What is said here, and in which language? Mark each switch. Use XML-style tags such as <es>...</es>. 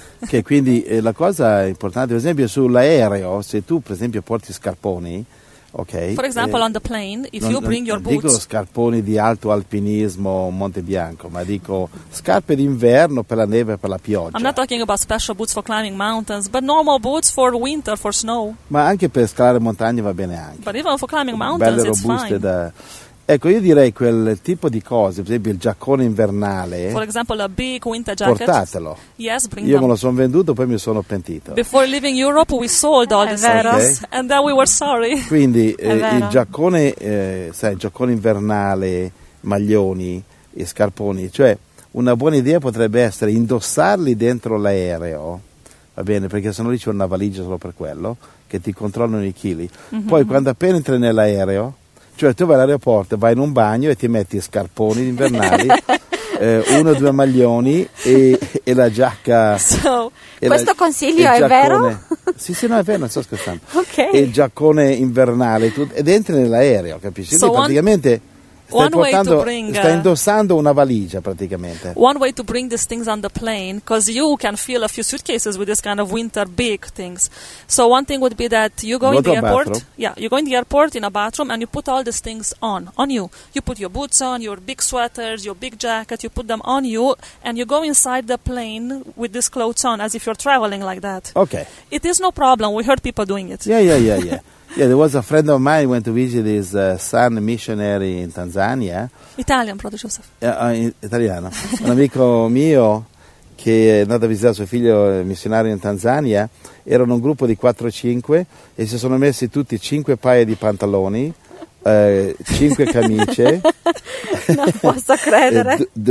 <it>Ok, quindi la cosa importante, per esempio sull'aereo, se tu per esempio porti scarponi. Okay.</it> <en>For example, on the plane, if you bring your</en> <it>dico</it> <en>boots.</en> <it>Dico scarponi di alto alpinismo Monte Bianco, ma dico scarpe d'inverno per la neve e per la pioggia.</it> <en>I'm not talking about special boots for climbing mountains, but normal boots for winter, for snow.</en> <it>Ma anche per scalare montagne va bene anche.</it> <en>But even for climbing mountains,</en> <it>belle robuste,</it> <en>it's fine.</en> <it>Ecco, io direi quel tipo di cose, per esempio il giaccone invernale.</it> <en>For example, a big winter jacket.</en> <it>Portatelo.</it> <en>Yes, bring it.</en> <it>Io me lo sono venduto, poi mi sono pentito.</it> <en>Before leaving Europe, we sold all the things, and then we were sorry.</en> <it>Quindi il giaccone, sai, giaccone invernale, maglioni e scarponi. Cioè, una buona idea potrebbe essere indossarli dentro l'aereo, va bene? Perché se no lì c'è una valigia solo per quello, che ti controllano i chili. Mm-hmm. Poi, quando appena entri nell'aereo, cioè tu vai all'aeroporto, vai in un bagno e ti metti scarponi invernali, uno o due maglioni e la giacca. So, e questo la, consiglio è vero? Sì, sì, no, è vero, non sto scherzando. Okay. E il giaccone invernale tu, ed entri nell'aereo, capisci? So praticamente Sta indossando una valigia praticamente.</it> <en>One way to bring these things on the plane, because you can fill a few suitcases with this kind of winter big things. So one thing would be that you go in the airport. Yeah, you go in the airport in a bathroom and you put all these things on you. You put your boots on, your big sweaters, your big jacket. You put them on you and you go inside the plane with these clothes on as if you're traveling like that. Okay. It is no problem. We heard people doing it. Yeah. Yeah, there was a friend of mine who went to visit his son missionary in Tanzania. Italian, brother Joseph.</en> <it>Italiano. Un amico mio che è andato a visitare suo figlio missionario in Tanzania, erano un gruppo di 4-5 e si sono messi tutti 5 paia di pantaloni, 5 camicie. Non posso credere.</it>